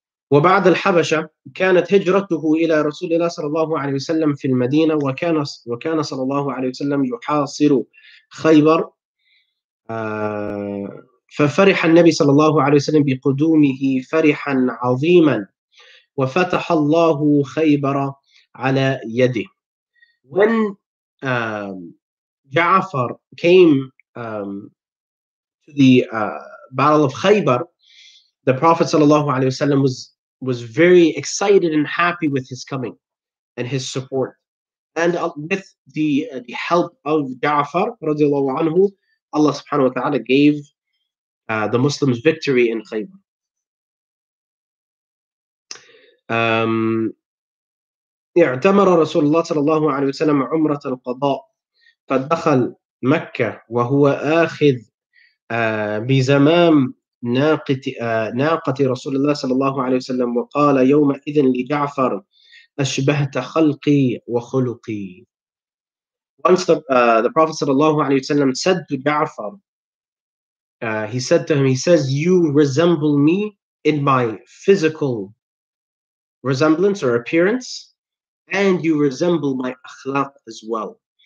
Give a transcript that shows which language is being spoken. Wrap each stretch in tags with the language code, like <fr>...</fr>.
<ar>وبعد الحبشة كانت هجرته إلى رسول الله صلى الله عليه وسلم في المدينة وكان صلى الله عليه وسلم يحاصر خيبر ففرح النبي صلى الله عليه وسلم بقدومه فرحا عظيما وفتح الله خيبر على يده.</ar> <en>When Ja'far came to the battle of Khaybar, the Prophet sallallahu alaihi wasallam was very excited and happy with his coming and his support. And with the help of Ja'far radiallahu anhu, Allah subhanahu wa ta'ala gave the Muslims victory in Khaybar.</en> <ar>اعتمر رسول الله صلى الله عليه وسلم عمرة القضاء فدخل مكة وهو آخذ بزمام ناقة رسول الله صلى الله عليه وسلم وقال يومئذ لجعفر أشبهت خلقي وخلقي.</ar> <en>Once the Prophet</en> <ar>صلى الله عليه وسلم</ar> <en>said to Ja'far, he said to him, he says, you resemble me in my physical resemblance or appearance, and you resemble my akhlaq as well.</en>